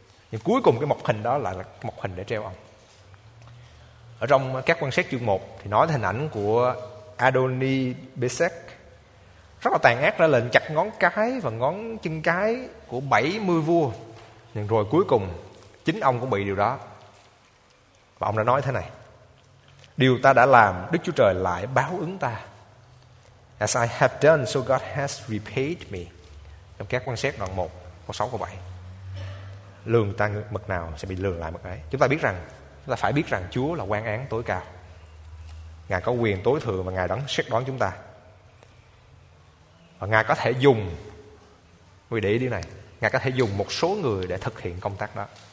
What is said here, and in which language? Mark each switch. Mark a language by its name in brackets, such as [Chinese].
[Vietnamese] Nhưng cuối cùng cái mọc hình đó lại là mọc hình để treo ông. Ở trong các quan sát chương 1 thì nói hình ảnh của Adoni-Bezek. Rất là tàn ác, ra lệnh chặt ngón cái và ngón chân cái của 70 vua. Nhưng rồi cuối cùng chính ông cũng bị điều đó. Và ông đã nói thế này. Điều ta đã làm, Đức Chúa Trời lại báo ứng ta. [English] As I have done, so God has repaid me. [Vietnamese] Trong các quan sát đoạn 1, câu 6, câu 7. Lường ta mực nào sẽ bị lường lại mực ấy. Chúng ta biết rằng, chúng ta phải biết rằng Chúa là quan án tối cao. Ngài có quyền tối thượng và Ngài đoán xét đoán chúng ta. Và Ngài có thể dùng, quý vị để ý điều này, Ngài có thể dùng một số người để thực hiện công tác đó.